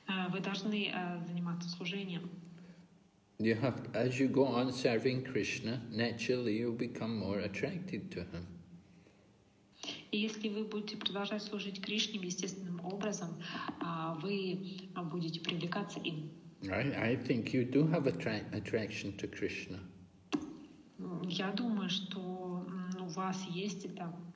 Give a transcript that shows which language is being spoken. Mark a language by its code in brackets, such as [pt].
[ru] Вы должны заниматься служением. [en] You have, as you go on serving Krishna, naturally you'll become more attracted to him. [ru] Если вы будете продолжать служить Кришне естественным образом, вы будете привлекаться им. [en] I think you do have attraction to Krishna. [ru] Я думаю, что у вас есть это.